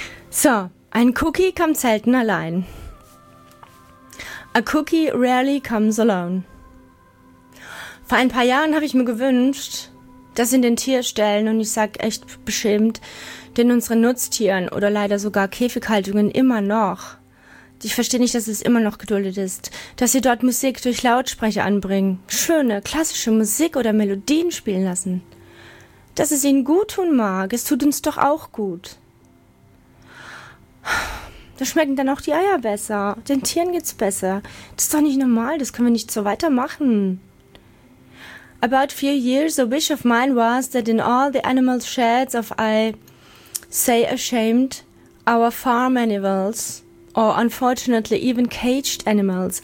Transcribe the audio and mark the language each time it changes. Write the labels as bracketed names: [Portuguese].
[German] So, ein Cookie kommt selten allein. [English] A cookie rarely comes alone. [German] Vor ein paar Jahren habe ich mir gewünscht, dass in den Tierstellen, und ich sag echt beschämt, denn unsere Nutztieren oder leider sogar Käfighaltungen immer noch, ich verstehe nicht, dass es immer noch geduldet ist, dass sie dort Musik durch Lautsprecher anbringen, schöne, klassische Musik oder Melodien spielen lassen. Dass es ihnen gut tun mag, es tut uns doch auch gut. Da schmecken dann auch die Eier besser, den Tieren geht's besser. Das ist doch nicht normal, das können wir nicht so weitermachen. [English] About 4 years, a wish of mine was that in all the animal sheds of, I say ashamed, our farm animals, or unfortunately even caged animals.